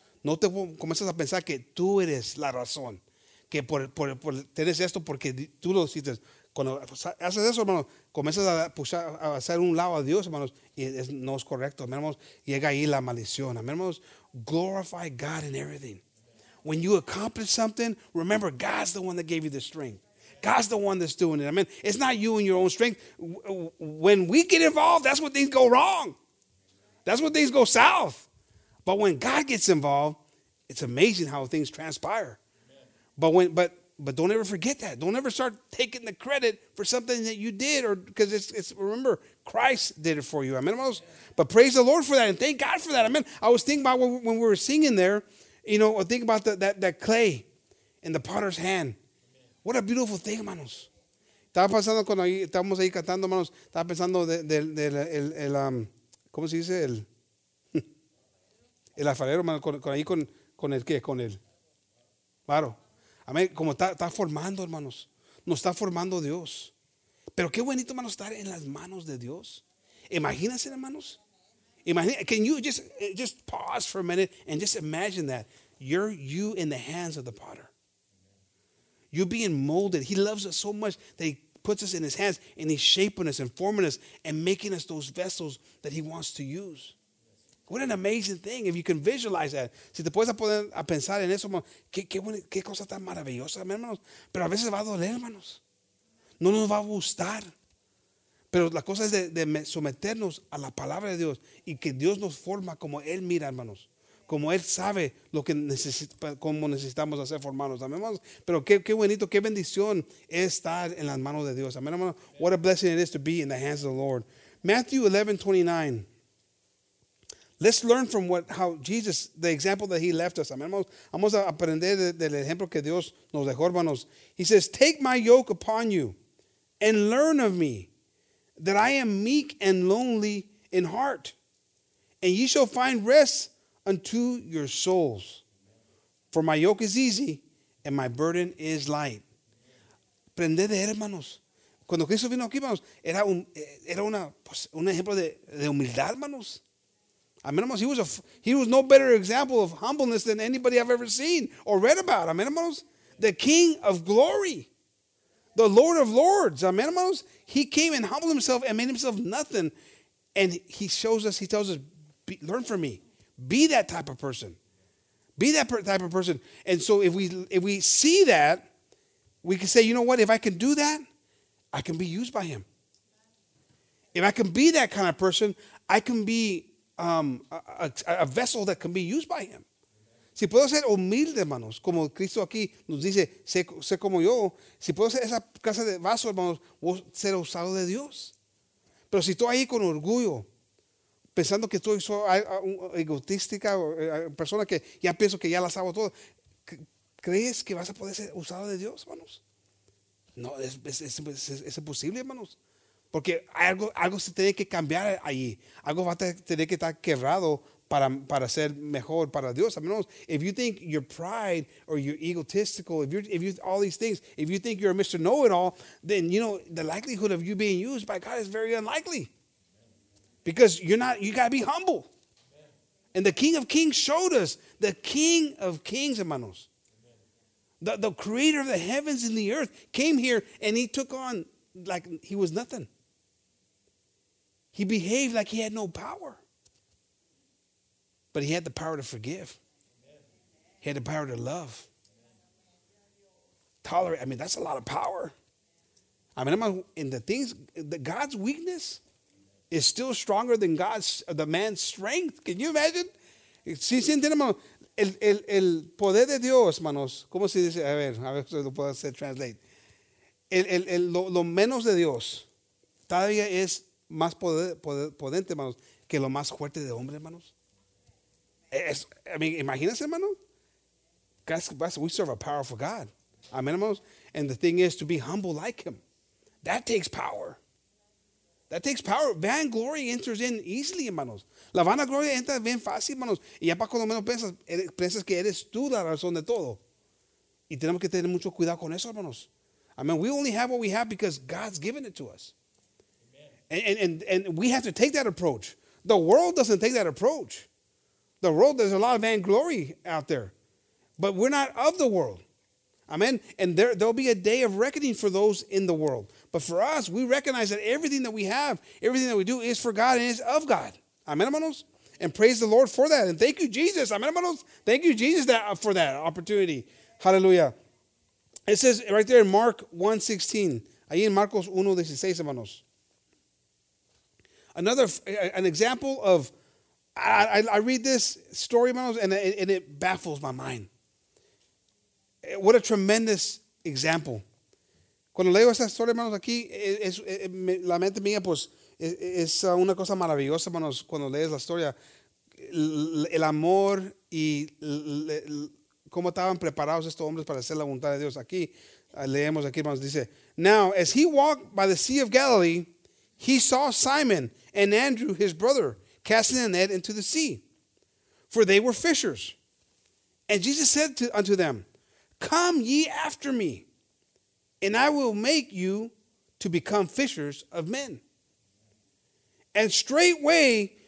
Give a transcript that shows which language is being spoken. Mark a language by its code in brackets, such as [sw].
[es] No te comiences a pensar que tú eres la razón, que por tienes esto porque tú lo hiciste. Cuando haces eso, hermanos, comienzas a hacer un lado a Dios, hermanos, y no es correcto. Hermanos, llega ahí la maldición. Hermanos, [en] glorify God in everything. When you accomplish something, remember God's the one that gave you the strength. God's the one that's doing it. Amen. It's not you and your own strength. When we get involved, that's when things go wrong. That's when things go south. But when God gets involved, it's amazing how things transpire. But don't ever forget that. Don't ever start taking the credit for something that you did, or because it's remember, Christ did it for you. Amen. But praise the Lord for that, and thank God for that. Amen. I was thinking about when we were singing there, you know, think about that clay in the potter's hand. What a beautiful thing, [es] hermanos. Estaba pensando cuando estábamos ahí cantando, hermanos. Estaba pensando del ¿cómo se dice? El alfarero, hermano, con el qué, con el barro. Amén. Como está formando, hermanos. Nos está formando Dios. Pero qué bonito, hermanos, estar en las manos de Dios. Imagínense, hermanos. [en] Imagine, can you just pause for a minute and just imagine that? You're you in the hands of the potter. You're being molded. He loves us so much that he puts us in his hands and he's shaping us and forming us and making us those vessels that he wants to use. What an amazing thing if you can visualize that. [es] Si te puedes poner a pensar en eso, qué cosa tan maravillosa, hermanos. Pero a veces va a doler, hermanos. No nos va a gustar. Pero la cosa es de someternos a la palabra de Dios y que Dios nos forma como Él mira, hermanos. Como Él sabe lo que necesitamos hacer formarnos. Amén, hermanos. Pero qué bonito, qué bendición es estar en las manos de Dios. Amén, hermanos. [en] What a blessing it is to be in the hands of the Lord. Matthew 11:29. Let's learn from how Jesus, the example that he left us. Amen. [es] Vamos a aprender del ejemplo que Dios nos dejó, hermanos. [en] He says, take my yoke upon you and learn of me that I am meek and lowly in heart, and ye shall find rest unto your souls. For my yoke is easy and my burden is light. [es] Aprende de él, hermanos. Cuando Cristo vino aquí, hermanos, era un ejemplo de humildad, hermanos. [en] Amen, hermanos, he was no better example of humbleness than anybody I've ever seen or read about. Amen, hermanos, the King of Glory, the Lord of Lords. Amen, hermanos, he came and humbled himself and made himself nothing. And he shows us, he tells us, learn from me. Be that type of person. Be that type of person. And so if we see that, we can say, you know what, if I can do that, I can be used by him. If I can be that kind of person, I can be a vessel that can be used by him. [es] Si puedo ser humilde, hermanos, como Cristo aquí nos dice, sé como yo. Si puedo ser esa clase de vaso, hermanos, voy a ser usado de Dios. Pero si estoy ahí con orgullo, pensando que estoy egotística, persona que ya pienso que ya las hago todas, ¿crees que vas a poder ser usado de Dios, hermanos? No, es imposible, hermanos. Porque algo se tiene que cambiar allí. Algo va a tener que estar quebrado para ser mejor para Dios. Amén. [en] If you think your pride or your egotistical, if you think you're a Mr. Know-it-all, then, you know, the likelihood of you being used by God is very unlikely. Because you got to be humble. And the King of Kings showed us, the King of Kings, hermanos. The creator of the heavens and the earth came here and he took on like he was nothing. He behaved like he had no power. But he had the power to forgive. He had the power to love. Tolerate. I mean, that's a lot of power. I mean, God's weakness is still stronger than the man's strength. Can you imagine? [es] Si se entiende, el poder de Dios, manos. ¿Cómo se dice? A ver si lo puedo hacer translate. Lo menos de Dios todavía es más potente, hermanos, que lo más fuerte de hombre, hermanos. Imagínense, hermano. [en] We serve a powerful God. Amen, hermanos. And the thing is to be humble like him. That takes power. That takes power. Vanglory enters in easily, hermanos. [es] La vanagloria entra bien fácil, hermanos. Y ya para cuando menos piensas que eres tú la razón de todo. Y tenemos que tener mucho cuidado con eso, hermanos. [en] I mean, we only have what we have because God's given it to us. And we have to take that approach. The world doesn't take that approach. The world, there's a lot of vainglory out there. But we're not of the world. Amen? And there'll be a day of reckoning for those in the world. But for us, we recognize that everything that we have, everything that we do is for God and is of God. Amen, hermanos? And praise the Lord for that. And thank you, Jesus. Amen, hermanos? Thank you, Jesus, for that opportunity. Hallelujah. It says right there in Mark 1:16. [es] Ahí en Marcos 1:16, hermanos. [en] An example of, I read this story, hermanos, and it baffles my mind. What a tremendous example. [es] Cuando leo esta historia, hermanos, aquí, la mente mía, pues, es una cosa maravillosa, hermanos, cuando lees la historia. El amor y cómo estaban preparados estos hombres para hacer la voluntad de Dios. Aquí, leemos aquí, hermanos, dice, [en] now, as he walked by the Sea of Galilee, he saw Simon and Andrew, his brother, casting a net into the sea, for they were fishers. And Jesus said unto them, come ye after me, and I will make you to become fishers of men. And straightway